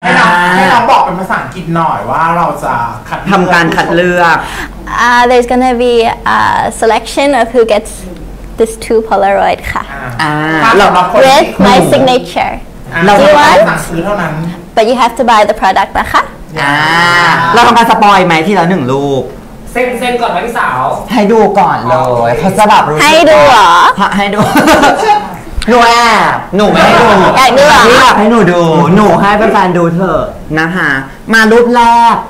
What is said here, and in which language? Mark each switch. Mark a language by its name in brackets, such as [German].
[Thai] แล้วบอกเป็นภาษาอังกฤษหน่อยว่าเราจะ ทำการคัดเลือก [English] There's gonna be a selection of who gets this two Polaroid ค่ะWith my signature Do you want? But you have to buy the product นะคะ [Thai] เราทำการสปอยไหมที่ละหนึ่งรูป เซ็นก่อนไหมพี่สาว ให้ดูก่อนเลยเขาจะแบบรู้ให้ดูเหรอ ให้ดูหนูแอบหนูไม่ให้ดู แอบดูเหรอ พี่แอบให้หนูดูหนูให้แฟนๆดูเถอะนะคะมารูปแรก